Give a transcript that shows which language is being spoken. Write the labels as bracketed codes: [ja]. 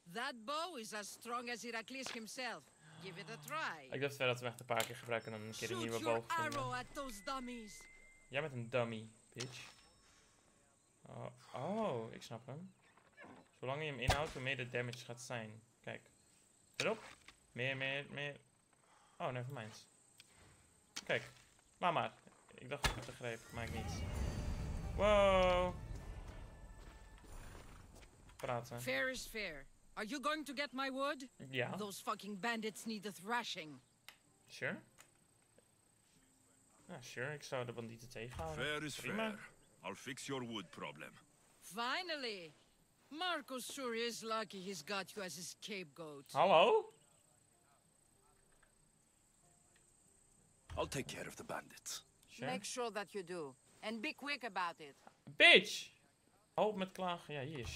[en] That bow is as strong as Heracles himself. Give it a try. [nl] Ik dacht wel dat we echt een paar keer gebruiken en dan een keer een nieuwe boog vinden. [en] Arrow at those dummies. [nl] Jij bent een dummy, bitch. Oh, ik snap hem. Zolang je hem inhoudt, hoe meer de damage gaat zijn. Kijk. Erop. Meer. Oh, nevermind. Kijk. Laat maar. Ik dacht dat ik het begreep, maar ik niet. Wow. Praten. [en] Fair is fair. Are you going to get my wood? [nl] Ja. [en] Those fucking bandits need a thrashing. Sure. [nl] Ja, sure. Ik zou de bandieten tegenhouden. [en] Fair is [nl] prima. [en] Fair. I'll fix your wood problem. Finally. Marco sure is lucky he's got you as his scapegoat. [nl] Hallo? [en] I'll take care of the bandits. Sure. Make sure that you do. And be quick about it. [nl] Bitch! Hold met klagen. Ja, hier. Shut